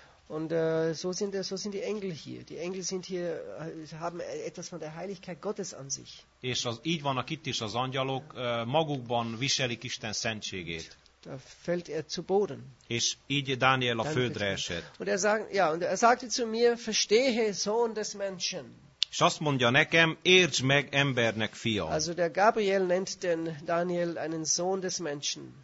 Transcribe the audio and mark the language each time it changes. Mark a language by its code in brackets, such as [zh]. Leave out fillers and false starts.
[de] Und so sind die Engel hier. Die Engel sind hier, haben etwas von der Heiligkeit Gottes an sich. [hu] És így vannak itt is az angyalok, magukban viselik Isten szentségét. [de] Da fällt er zu Boden. [hu] És így Dániel a földre esett. [de] Und er sagte zu mir, verstehe, Sohn des Menschen. [hu] És azt mondja nekem, értsd meg embernek fia. [de] Also der Gabriel nennt den Daniel einen Sohn des Menschen.